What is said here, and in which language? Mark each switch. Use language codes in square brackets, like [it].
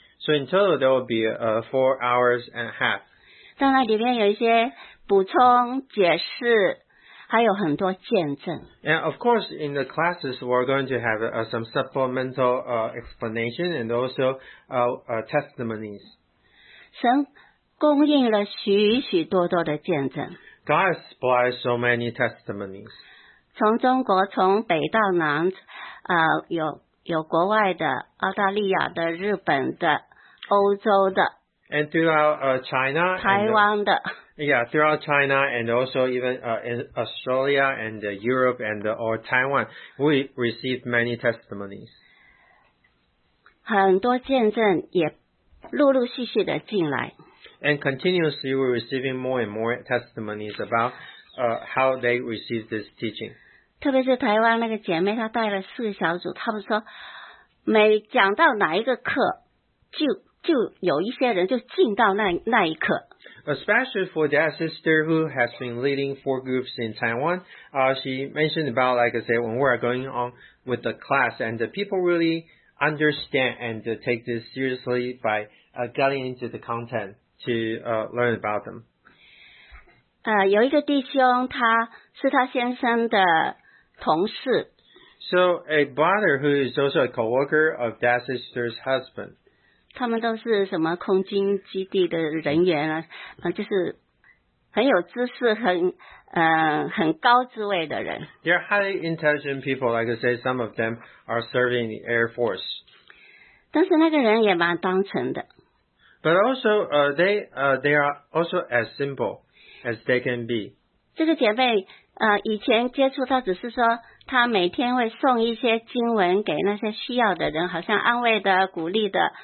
[en] So in total, there will be four hours and a half. [zh] 当然里面有一些补充、解释，还有很多见证。 [en] And of course, in the classes, we're going to have some supplemental explanation and also testimonies. [zh] 神供应了许许多多的见证。 [en] God has supplied so many testimonies. [zh] 从中国，从北到南，有国外的，澳大利亚的，日本的，欧洲的。 [en] And throughout China, [zh] 台湾的。 [en] Yeah, throughout China and also even in Australia and Europe and or Taiwan, we received many testimonies. [zh] 很多见证也陆陆续续的进来。 [en] And continuously we're receiving more and more testimonies about how they received this teaching. [zh] 特别是台湾那个姐妹，她带了四个小组，她们说每讲到哪一个课，就有一些人就进到那一课。 [en] Especially for that sister who has been leading four groups in Taiwan, she mentioned about, like I said, when we are going on with the class, and the people really understand and take this seriously by getting into the content to learn about them. [zh] 有一个弟兄，他是他先生的同事。 [en] So a brother who is also a co-worker of that sister's husband. [zh] 他们都是什么空军基地的人员啊，就是很有知识，很高职位的人。 [en] They're highly intelligent people, like I say, some of them are serving the Air Force. [zh] 但是那个人也蛮单纯的。 [en] But also, they are also as simple as they can be. [zh] 这个姐妹以前接触她只是说她每天会送一些经文给那些需要的人，好像安慰的、鼓励的。